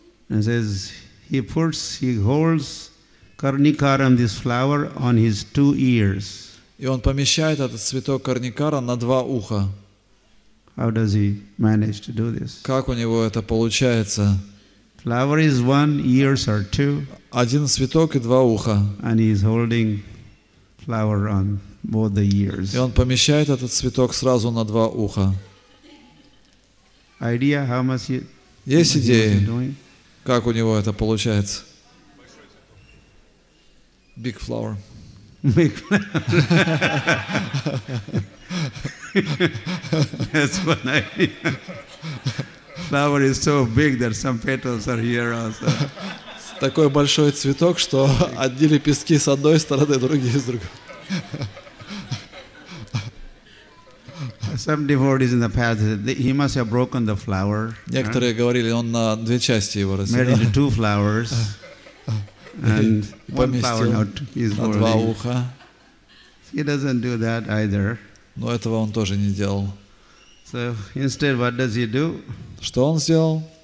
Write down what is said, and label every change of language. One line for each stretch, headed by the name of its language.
English: And says he puts, he holds карникарам this flower on his two ears.
Russian: И он помещает этот цветок карникара на два уха.
English: How does he manage to do this?
Russian: Как у него это получается?
English: Flower is one, ears are two.
Russian: Один цветок и два уха.
English: And he is holding flower on both the ears.
Russian: И он помещает этот цветок сразу на два уха.
English: Idea, how much he,
Russian: есть идеи, как у него это получается?
English: Big flower. Big flower. That's one idea. Flower is so big that some petals are here also.
Russian: Такой большой цветок, что одни лепестки с одной стороны, другие с другой.
English: Some devotees in the past said he must have broken the flower.
Russian: Некоторые говорили, он на две части его разделил.
English: Made into two flowers. And one flower out is holding.
Russian: На два уха.
English: He doesn't do that either.
Russian: Но этого он тоже не делал.
English: So instead, what does he do?
Russian: Что он сделал?